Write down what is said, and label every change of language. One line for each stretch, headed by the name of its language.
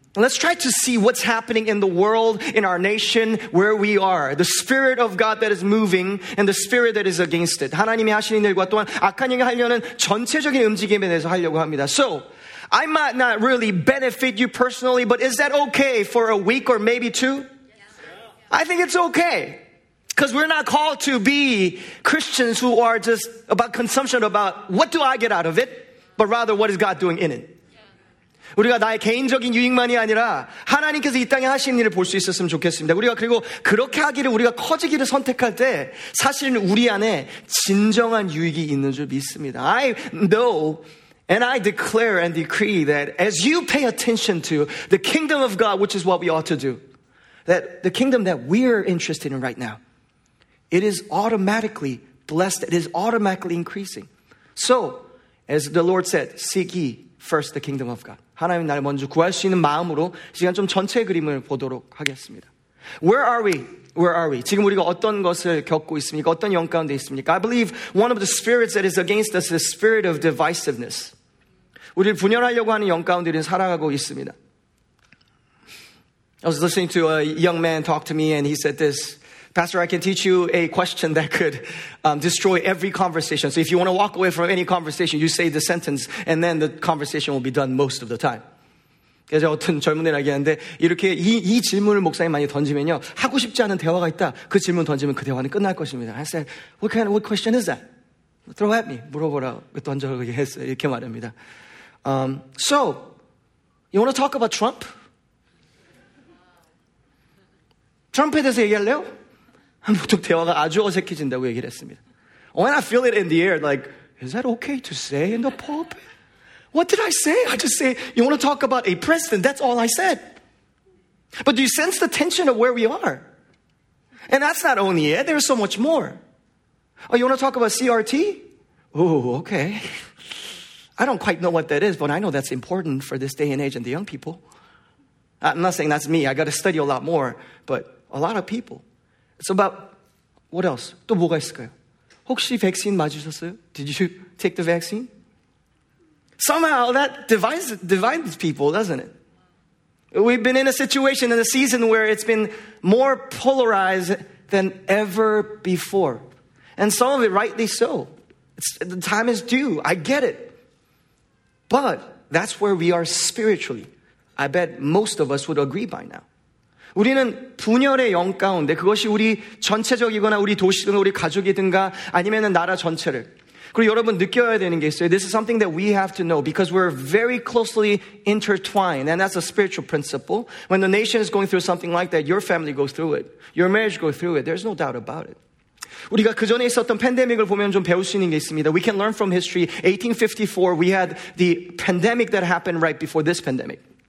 English: Let's try to see what's happening in the world, in our nation, where we are. The spirit of God that is moving and the spirit that is against it.
Korean: 하나님이 하시는 일과 또한 악한 일을 하려는 전체적인 움직임에 대해서 하려고 합니다.
English: So, I might not really benefit you personally, but is that okay for a week or maybe two? I think it's okay. Because we're not called to be Christians who are just about consumption, about what do I get out of it, but rather what is God doing in it.
Korean: 우리가 나의 개인적인 유익만이 아니라 하나님께서 이 땅에 하시는 일을 볼 수 있었으면 좋겠습니다. 우리가 그리고 그렇게 하기를 우리가 커지기를 선택할 때 사실은 우리 안에 진정한 유익이 있는 줄 믿습니다.
English: I know and I declare and decree that as you pay attention to the kingdom of God, which is what we ought to do, that the kingdom that we're interested in right now, it is automatically blessed. It is automatically increasing. So, as the Lord said, seek ye first the kingdom of God.
Korean: 하나님 나를 먼저 구할 수 있는 마음으로 시간 좀 전체 그림을 보도록 하겠습니다.
English: Where are we? Where are we?
Korean: 지금 우리가 어떤 것을 겪고 있습니까? 어떤 영 가운데 있습니까?
English: I believe one of the spirits that is against us is the spirit of divisiveness.
Korean: 우리를 분열하려고 하는 영 가운데 우리는 살아가고 있습니다.
English: I was listening to a young man talk to me and he said this, Pastor, I can teach you a question that could destroy every conversation. So if you want to walk away from any conversation, you say the sentence and then the conversation will be done most of the time.
Korean: 그래서 어떤 젊은 애가 얘기하는데 이렇게 이 질문을 목사님 많이 던지면요. 하고 싶지 않은 대화가 있다. 그 질문 던지면 그 대화는 끝날 것입니다.
English: I said, what question is that? Throw at me.
Korean: 물어보라고 던져서 했어요. 이렇게 말합니다.
English: So, you want to talk about Trump?
Korean: 트럼프에 대해서 얘기할래요? 보통 대화가 아주 어색해진다고 얘기를 했습니다.
English: When I feel it in the air, like, is that okay to say in the pulpit? What did I say? I just say, you want to talk about a president? That's all I said. But do you sense the tension of where we are? And that's not only it. There's so much more. Oh, you want to talk about CRT? Oh, okay. I don't quite know what that is, but I know that's important for this day and age and the young people. I'm not saying that's me. I got to study a lot more. But a lot of people. It's about, what else?
Korean: 또 뭐가 있을까요? 혹시 백신 맞으셨어요?
English: Did you take the vaccine? Somehow that divides people, doesn't it? We've been in a situation in a season where it's been more polarized than ever before. And some of it, rightly so. The time is due. I get it. But that's where we are spiritually. I bet most of us would agree by now.
Korean: 우리는 분열의 영 가운데 그것이 우리 전체적이거나 우리 도시든 우리 가족이든가 아니면은 나라 전체를 그리고 여러분 느껴야 되는 게 있어요.
English: This is something that we have to know because we're very closely intertwined and that's a spiritual principle. When the nation is going through something like that, your family goes through it. Your marriage goes through it. There's no doubt about it.
Korean: 우리가 그 전에 있었던 팬데믹을 보면 좀 배울 수 있는 게 있습니다.
English: We can learn from history. 1854, we had the pandemic that happened right before this pandemic.